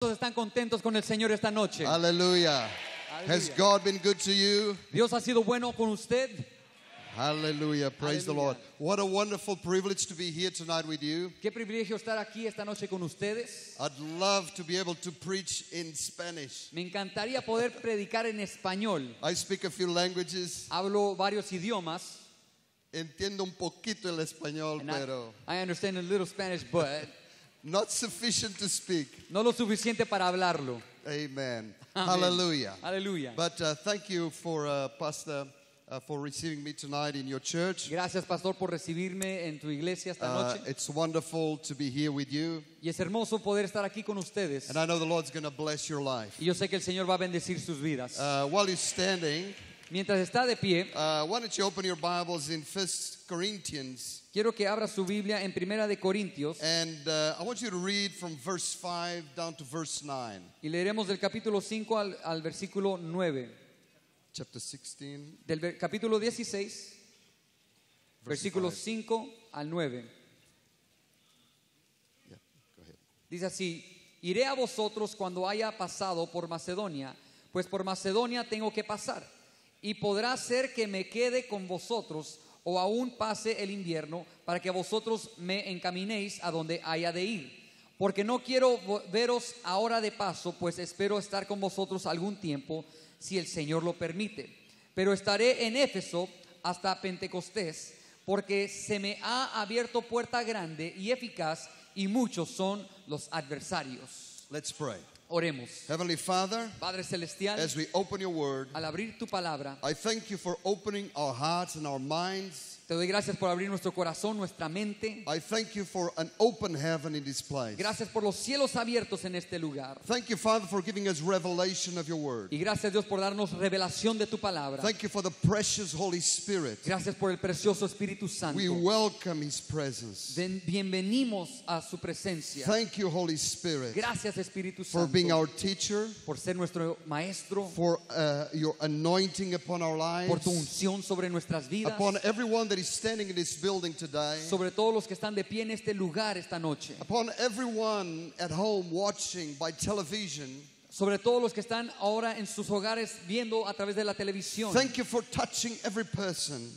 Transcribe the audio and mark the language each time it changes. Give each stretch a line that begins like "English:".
Spanish: ¿Cuántos están contentos con el Señor esta noche?
English: Aleluya. Has God been good to you?
Spanish: ¿Dios ha sido bueno con usted?
English: Hallelujah. Praise the Lord. What a wonderful privilege to be here tonight with you.
Spanish: ¿Qué privilegio estar aquí esta noche con ustedes?
English: I'd love to be able to preach in Spanish.
Spanish: Me encantaría poder predicar en español.
English: I speak a few languages.
Spanish: Hablo varios idiomas. Entiendo un poquito el español, pero
English: I understand a little Spanish, but not sufficient to speak.
Spanish: No lo suficiente para hablarlo.
English: Amen. Hallelujah. Hallelujah. But thank you for Pastor for receiving me tonight in your church.
Spanish: Gracias, Pastor, por recibirme en tu iglesia esta noche.
English: It's wonderful to be here with you.
Spanish: Y es hermoso poder estar aquí con ustedes.
English: And I know the Lord's going to bless your life.
Spanish: Y yo sé que el Señor va a bendecir sus vidas.
English: While you're standing,
Spanish: mientras está de pie,
English: why don't you open your Bibles in 1 Corinthians?
Spanish: Quiero que abra su Biblia en Primera de Corintios.
English: And I want you to read from verse 5 down to verse 9.
Spanish: Y leeremos del capítulo 5 al versículo 9.
English: Chapter 16.
Spanish: Del capítulo 16, versículo 5 al 9.
English: Yeah, go ahead.
Spanish: Dice así: iré a vosotros cuando haya pasado por Macedonia, pues por Macedonia tengo que pasar. Y podrá ser que me quede con vosotros o aún pase el invierno para que vosotros me encaminéis a donde haya de ir. Porque no quiero veros ahora de paso, pues espero estar con vosotros algún tiempo, si el Señor lo permite. Pero estaré en Éfeso hasta Pentecostés, porque se me ha abierto puerta grande y eficaz, y muchos son los adversarios.
English: Let's pray.
Spanish: Oremos.
English: Heavenly Father,
Spanish: Padre Celestial,
English: as we open your word,
Spanish: al abrir tu palabra,
English: I thank you for opening our hearts and our minds.
Spanish: Te doy gracias por abrir nuestro corazón, nuestra mente.
English: I thank you for an open heaven in this place.
Spanish: Gracias por los cielos abiertos en este lugar.
English: Thank you, Father, for giving us revelation of your word.
Spanish: Y gracias, Dios, por darnos revelación de tu palabra.
English: Thank you for the precious Holy Spirit.
Spanish: Gracias por el precioso Espíritu Santo.
English: We welcome his presence.
Spanish: Bienvenimos a su presencia.
English: Thank you, Holy Spirit.
Spanish: Gracias, Espíritu Santo.
English: For being our teacher.
Spanish: Por ser nuestro maestro.
English: For your anointing upon our lives.
Spanish: Por tu unción sobre nuestras vidas.
English: Upon everyone that is standing in this building today.
Spanish: Sobre todos los que están de pie en este lugar esta noche.
English: Upon everyone at home watching by television.
Spanish: Sobre todos los que están ahora en sus hogares viendo a través de la televisión.
English: Thank you for touching every person.